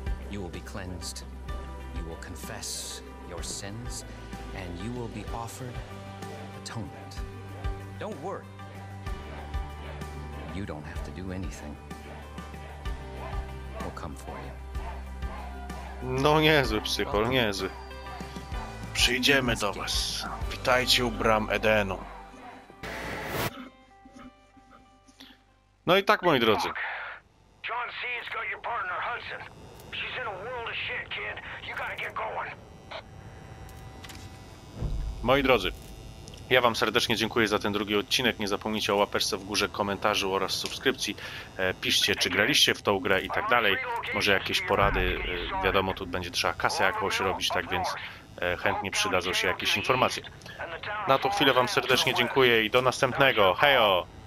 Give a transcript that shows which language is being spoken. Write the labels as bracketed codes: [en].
[en] You will be cleansed. You will confess your sins, and you will be offered atonement. Don't worry. You don't have to do anything. We'll come for you. [pl] No niezły psychol, niezły. Przyjdziemy do was. Witajcie u bram Edenu. No i tak, moi drodzy. [en] John Seed's got your partner Hudson. She's in a world of shit, kid. You gotta get going. [pl] Moi drodzy, ja wam serdecznie dziękuję za ten drugi odcinek. Nie zapomnijcie o łapeczce w górze, komentarzu oraz subskrypcji. Piszcie, czy graliście w tą grę i tak dalej. Może jakieś porady, wiadomo, tu będzie trzeba kasę jakąś robić, tak więc chętnie przydadzą się jakieś informacje. Na tą chwilę wam serdecznie dziękuję i do następnego. Hejo!